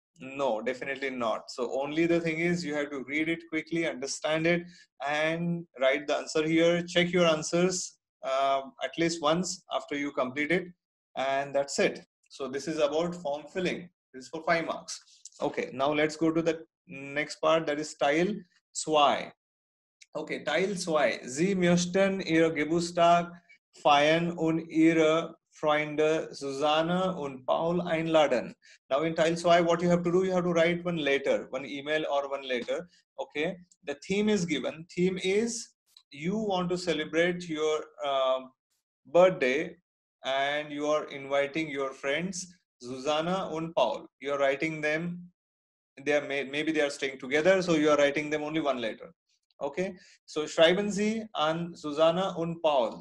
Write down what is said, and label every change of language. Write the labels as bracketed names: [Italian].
[English] No, definitely not. So, only the thing is, you have to read it quickly, understand it, and write the answer here. Check your answers at least once after you complete it, and that's it. So, this is about form filling. This is for 5 marks. Okay, now let's go to the next part, that is tile zwei. Okay, tile zwei. [German] Sie möchten ihr Geburtstag feiern und ihre Freunde Susanne und Paul einladen. [English] Now in tile zwei, what you have to do, you have to write one letter, one email or one letter. Okay, the theme is given. Theme is you want to celebrate your birthday and you are inviting your friends Susanne und Paul. You are writing them. They are maybe they are staying together, so you are writing them only one letter. Okay, so [German] Schreiben Sie an Susanne und Paul.